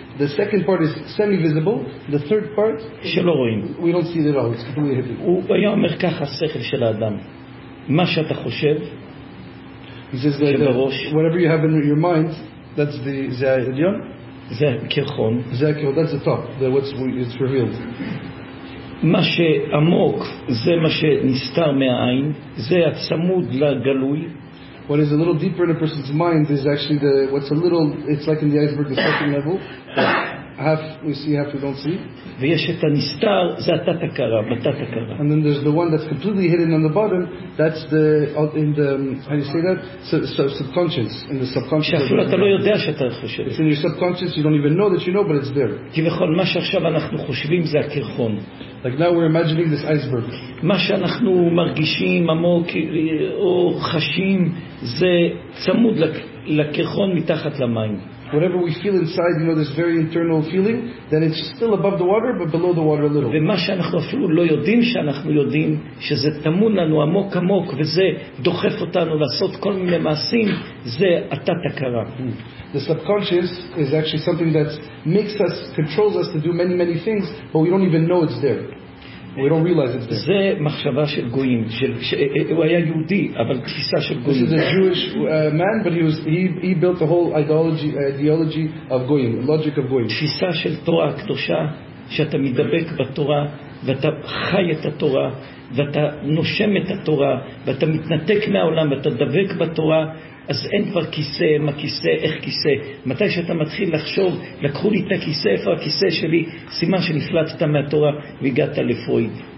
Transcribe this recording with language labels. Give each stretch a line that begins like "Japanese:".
English: The second part is semi-visible. The third part, we don't see it at all. It's completely hidden.
Hebrew: הוא אומר ככה, השכל של האדם, מה שאתה חושב,
English: whatever you have in your mind, that's the העליון.
Hebrew: זה הקרחון. זה הקרחון,
English: that's the top, it's revealed.
Hebrew: מה שעמוק, זה מה שנסתר מהעין, זה הצמוד לגלוי.
English: What is a little deeper in a person's mind is actually the, what's a little, it's like in the iceberg, the second level. Half we see, half we don't see.
Hebrew: ויש את הנסתר, זה התת-הכרה, בתת-הכרה.
English: And then there's the one that's completely hidden on the bottom, that's the, in the, how do you say that? Subconscious, in the subconscious.
Hebrew: שאפילו אתה לא יודע שאתה חושב.
English: It's in your subconscious, you don't even know that you know, but it's there.
Hebrew: כי בכל מה שעכשיו אנחנו חושבים זה הקרחון.
English: Like now we're imagining this iceberg.
Hebrew: מה שאנחנו מרגישים עמוק או חשים זה צמוד לקרחון מתחת למים.
English: Whatever we feel inside, you know, this very internal feeling, then it's still above the water, but below the water a little.
Hebrew: ומה שאנחנו אפילו לא יודעים שאנחנו יודעים, שזה תמון לנו עמוק עמוק, וזה דוחף אותנו לעשות כל מיני מעשים, זה התת הכרה.
English: The subconscious is actually something that makes us, controls us to do many, many things, but we don't even know it's there. We don't realize it's there.
Hebrew: זה מחשבה של גויים, הוא היה יהודי, אבל תפיסה של גויים.
English: This is a Jewish man, but he built the whole ideology of goyim, logic of goyim.
Hebrew: תפיסה של תורה קדושה, שאתה מדבק בתורה, ואתה חי את התורה, ואתה נושם את התורה, ואתה מתנתק מהעולם, ואתה דבק בתורה, אז אין כבר כיסא, מה כיסא, איך כיסא. מתי שאתה מתחיל לחשוב, לקחו לי את הכיסא, איפה הכיסא שלי, סימן שנפלטת מהתורה והגעת לפרויד.